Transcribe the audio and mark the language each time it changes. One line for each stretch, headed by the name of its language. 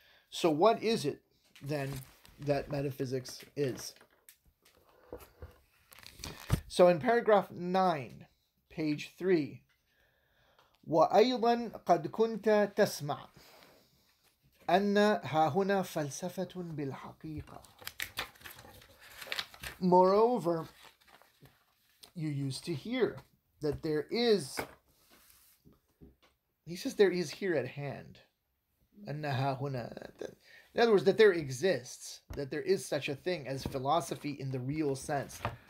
English: So what is it then that metaphysics is? So in paragraph 9, page 3,
Arabic: وَأَيْضًا قَدْ كُنْتَ تَسْمَعْ أَنَّ هَاهُنَا فَلْسَفَةٌ بِالْحَقِيقَةِ.
English: Moreover, you used to hear that there is, he says there is here at hand.
Arabic: أَنَّ هَاهُنَا,
English: in other words, that there exists, that there is such a thing as philosophy in the real sense.